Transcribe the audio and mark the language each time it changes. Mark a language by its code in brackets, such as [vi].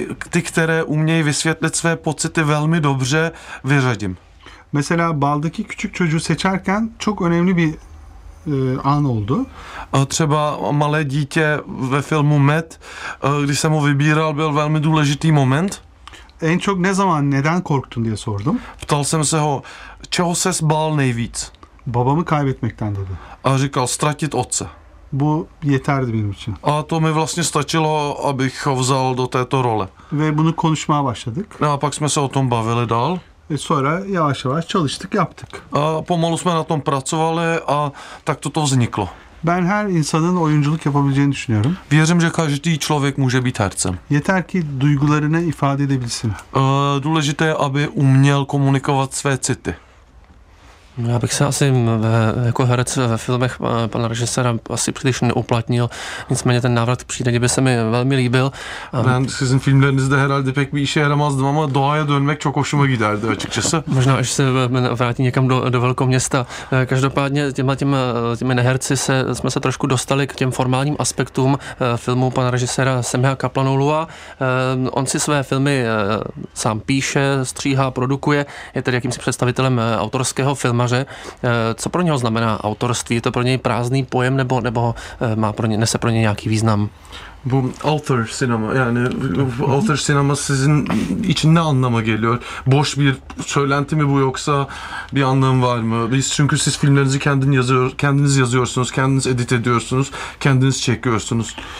[cs] Ty, které umějí vysvětlit své pocity velmi dobře, vyřadím. [tr] Mesela baldaki küçük çocuğu seçerken çok önemli bir an oldu. [cs] Třeba malé dítě ve filmu Med, když jsem ho vybíral, byl velmi důležitý moment. [tr] En çok ne zaman, neden korktun diye sordum. [cs] Ptal jsem se ho, čeho ses bál nejvíc. [tr] Babamı kaybetmekten dedi. [cs] A říkal, ztratit otce. [tr] Bu yeterdi benim için. [cs] A to mi vlastně stačilo, abych ho vzal do této role. [tr] Ve bunu konuşmaya başladık. [cs] A pak jsme se o tom bavili dál. [tr] Sonra yavaş yavaş çalıştık, yaptık. [cs] Pomalu jsme na tom pracovali a tak to vzniklo. [tr] Ben her insanın oyunculuk yapabileceğini düşünüyorum. [cs] Věřím, že každý člověk může být hercem. [tr] Yeter ki duygularını ifade edebilsin. [cs] Důležité je, aby uměl komunikovat své city. Já bych se asi jako herec ve filmech pana režisera asi příliš neuplatnil, nicméně ten návrat k přírodě by se mi velmi líbil. [tr] Ben sizin filmlerinizde herhalde pek bir işe yaramazdım ama doğaya dönmek çok hoşuma giderdi açıkçası. [cs] Možná až se vrátím někam do velkoměsta. Každopádně těmi neherci jsme se trošku dostali k těm formálním aspektům filmu pana režisera Semiha Kaplanoulua. On si své filmy sám píše, stříhá, produkuje, je tedy jakýmsi představitelem autorského filmaře. Co pro něho znamená autorství? Je to pro něj prázdný pojem nebo má pro ně, nese pro něj nějaký význam? [tr] Bu [en] author cinema, [tr] yani author sinemasının içinde anlama geliyor. Boş bir söylenti mi bu yoksa bir anlamı var mı? Biz çünkü siz filmlerinizi kendiniz yazıyorsunuz, kendiniz edit ediyorsunuz, kendiniz çekiyorsunuz.